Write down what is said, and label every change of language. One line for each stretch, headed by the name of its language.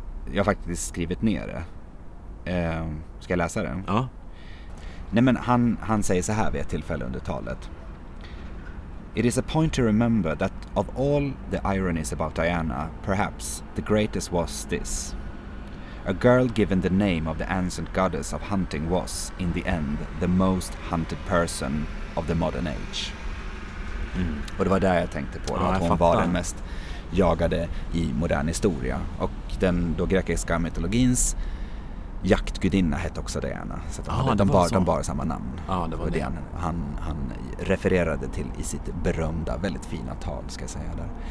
Swedish: Jag har faktiskt skrivit ner det. Ska jag läsa den? Ja. Nej, men han säger så här vid ett tillfälle under talet.
English: It is a point to remember that of all the ironies about Diana, perhaps the greatest was this. A girl given the name of the ancient goddess of hunting was, in the end, the most hunted person of the modern age. Mm.
Swedish: Och det var där jag tänkte på. Ja, att hon var den mest jagade i modern historia. Och den då grekiska mytologins jaktgudinna hette också Diana. Så de, ah, de bar samma namn. Ja, ah, det var det. Han refererade till i sitt berömda, väldigt fina tal, ska jag säga där.